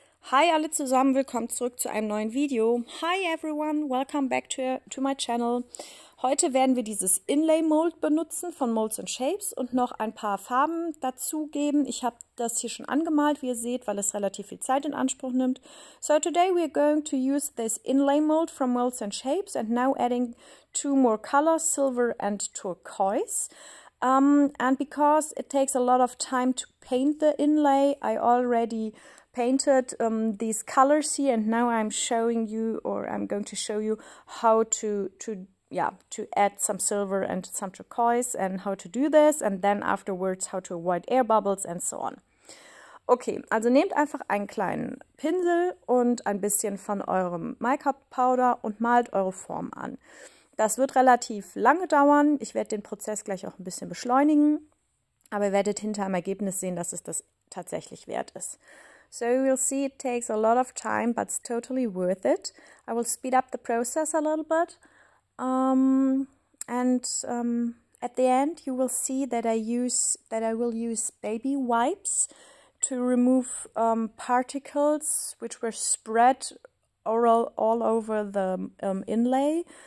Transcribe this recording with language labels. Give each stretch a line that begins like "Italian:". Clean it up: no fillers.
German: Hi alle zusammen, willkommen zurück zu einem neuen Video.
English: Hi everyone, welcome back to my channel.
German: Heute werden wir dieses Inlay Mold benutzen von moldsandshapes und noch ein paar Farben dazu geben. Ich habe das hier schon angemalt, wie ihr seht, weil es relativ viel Zeit in Anspruch nimmt.
English: So today we are going to use this Inlay Mold from moldsandshapes and now adding two more colors, silver and turquoise. And because it takes a lot of time to paint the inlay, I already painted these colors here, and now I'm showing you, or I'm going to show you how to add some silver and some turquoise and how to do this, and then afterwards how to avoid air bubbles and so on.
German: Okay, also nehmt einfach einen kleinen Pinsel und ein bisschen von eurem Make-up Powder und malt eure Form an. Das wird relativ lange dauern. Ich werde den Prozess gleich auch ein bisschen beschleunigen, aber ihr werdet hinterher im Ergebnis sehen, dass es das tatsächlich wert ist.
English: So you will see it takes a lot of time, but it's totally worth it. I will speed up the process a little bit. At the end you will see that I will use baby wipes to remove particles which were spread all over the inlay.